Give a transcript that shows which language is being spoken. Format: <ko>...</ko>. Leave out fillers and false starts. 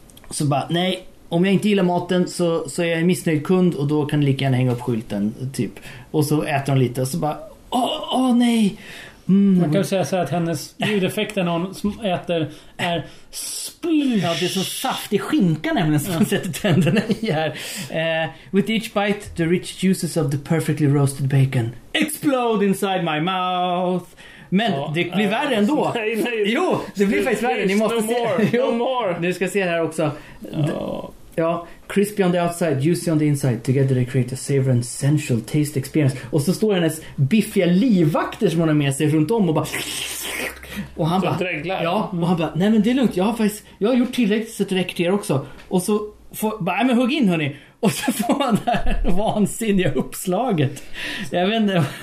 <sv>Så bara, nej, om jag inte gillar maten så är jag en missnöjd kund. Och då kan jag lika gärna hänga upp skylten typ. Och så äter hon lite. Och så bara, åh nej. Man kan säga så att hennes ljudeffekter när hon äter är splish. Ja, det är så saftig skinka nämligen som man sätter tänderna i här.</sv> <en>With each bite, the rich juices of the perfectly roasted bacon explode inside my mouth.</en> <sv>Men ja, det blir värre ändå. Nej. Jo, det blir faktiskt värre. Ni måste se.</sv> <en>No more.</en> <sv>Nu ska se här också. Ja,</sv> <en>crispy on the outside, juicy on the inside. Together they create a savor and sensual taste experience.</en> <sv>Och så står hennes biffiga livvakter som hon har med sig runt om och bara... Och han bara... Dräglar. Ja, och han bara, nej men det är lugnt, jag har gjort tillräckligt så att det räcker till er också. Och så får... Bara, nej men hugg in hörni. Och så får man det här vansinniga uppslaget. Jag vet inte...</sv>